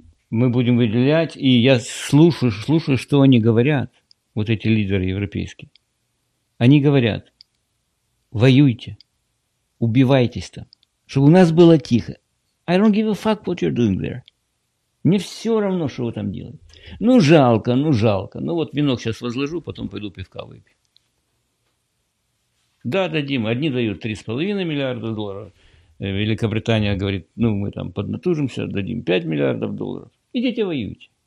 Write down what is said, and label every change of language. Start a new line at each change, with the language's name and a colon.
Russian: Мы будем выделять, и я слушаю, что они говорят, вот эти лидеры европейские. Они говорят: воюйте, убивайтесь там, чтобы у нас было тихо.
English: I don't give a fuck what you're doing there.
Russian: Мне все равно, что вы там делаете. Ну, жалко, ну, жалко. Ну, вот венок сейчас возложу, потом пойду пивка выпью. Да, дадим. Одни дают 3,5 миллиарда долларов. Великобритания говорит: ну, мы там поднатужимся, дадим 5 миллиардов долларов. Идите воюйте.